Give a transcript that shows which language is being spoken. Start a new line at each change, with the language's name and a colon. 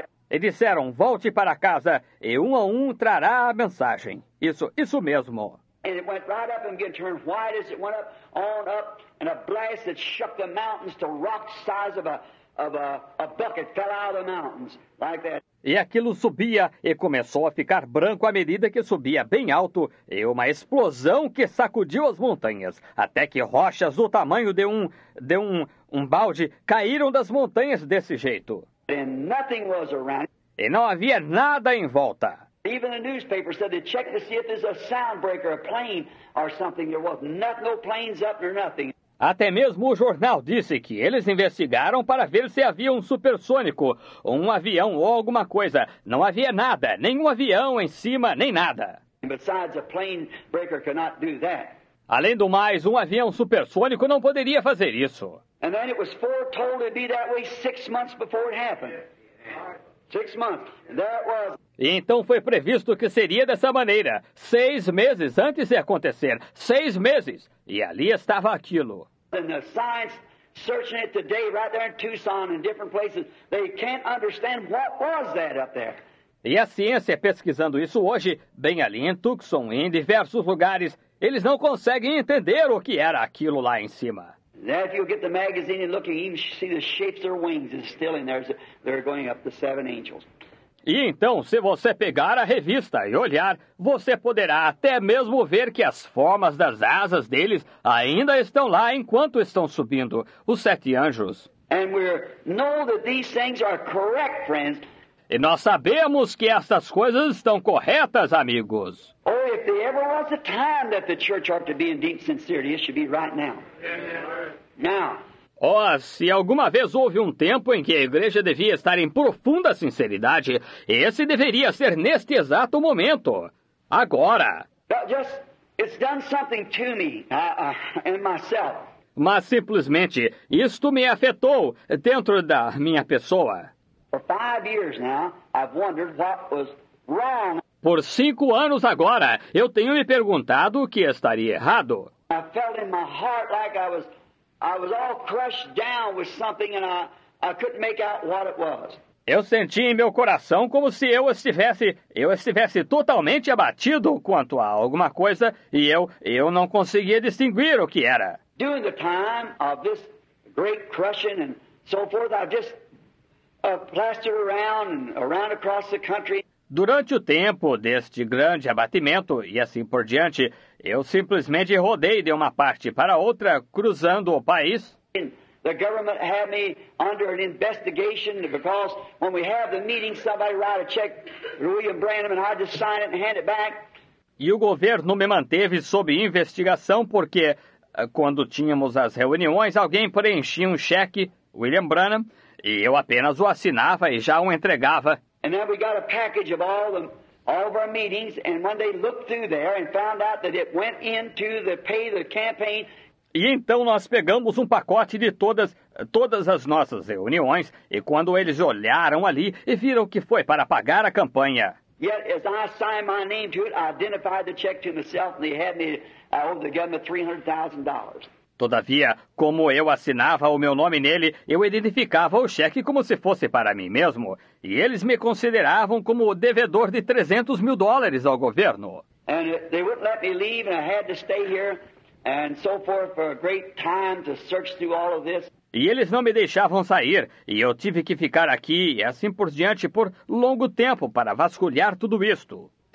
Portuguese: E disseram, volte para casa, e um a um trará a mensagem. Isso, isso mesmo.
English: And it went right up and began to turn white as it went up, on up, and a blast that shook the mountains to rock size of a bucket fell out of the mountains, like that.
Portuguese: E aquilo subia e começou a ficar branco à medida que subia bem alto, e uma explosão que sacudiu as montanhas, até que rochas do tamanho de um balde caíram das montanhas desse jeito.
English: And nothing was around.
Portuguese: E não havia nada em volta.
English: Even the newspaper said they checked to see if there's a sound breaker, a plane or something. There was nothing, no planes up or nothing.
Portuguese: Até mesmo o jornal disse que eles investigaram para ver se havia um supersônico, um avião ou alguma coisa. Não havia nada, nenhum avião em cima, nem nada.
English: And besides, a plane breaker cannot do that.
Portuguese: Além do mais, um avião supersônico não poderia fazer isso.
English: And then it was foretold it'd be that way 6 months before it happened. 6 months. That was.
Portuguese: E então foi previsto que seria dessa maneira, 6 meses antes de acontecer, 6 meses, e ali estava aquilo.
English: And the science searching it today, right there in Tucson and different places, they can't understand what was that up there.
Portuguese: E a ciência pesquisando isso hoje, bem ali em Tucson e em diversos lugares, eles não conseguem entender o que era aquilo lá em cima.
English: Now, if you get the magazine and look, you even see the shapes of their wings is still in there. They're going up the 7 angels.
Portuguese: E então, se você pegar a revista e olhar, você poderá até mesmo ver que as formas das asas deles ainda estão lá enquanto estão subindo, os 7 anjos.
English: And we know that these things are correct, friends.
Portuguese: E nós sabemos que essas coisas estão corretas, amigos.
English: Oh, if there ever was a time that the church ought to be in deep sincerity, it should be right now. Now.
Portuguese: Oh, se alguma vez houve um tempo em que a igreja devia estar em profunda sinceridade, esse deveria ser neste exato momento. Agora.
English: It's done something to me, and myself.
Portuguese: Mas simplesmente, isto me afetou dentro da minha pessoa.
English: For 5 years now, I've wondered what was wrong.
Portuguese: Por 5 anos agora, eu tenho me perguntado o que estaria errado.
English: I felt in my heart like I was all crushed down with something, and I couldn't make out what it was.
Portuguese: Eu senti em meu coração como se eu estivesse totalmente abatido quanto a alguma coisa e eu não conseguia distinguir o que era.
English: During the time of this great crushing and so forth, I just plastered around and around across the country.
Portuguese: Durante o tempo deste grande abatimento e assim por diante, eu simplesmente rodei de uma parte para outra, cruzando o país.
English: The government had me under an investigation because when we have the meeting, somebody write a check to William Branham and I just sign it and hand it back.
Portuguese: E o governo me manteve sob investigação porque quando tínhamos as reuniões, alguém preenchia um cheque, William Branham, e eu apenas o assinava e já o entregava.
English: And then we got a package of all of our meetings, and when they looked through there and found out that it went into the pay the campaign.
Portuguese: E então nós pegamos um pacote de todas as nossas reuniões, e quando eles olharam ali e viram que foi para pagar a campanha.
English: Yet, as I signed my name to it, I identified the check to myself, and they had me, I owed the government $300,000.
Portuguese: Todavia, como eu assinava o meu nome nele, eu identificava o cheque como se fosse para mim mesmo, e eles me consideravam como o devedor de $300,000 ao governo.
English: And they wouldn't let me leave, and I had to stay here. And so forth for a great time to search through all of this.
Portuguese: E eles não me deixavam sair, e eu tive que ficar aqui e assim por diante por longo tempo para vasculhar tudo isto.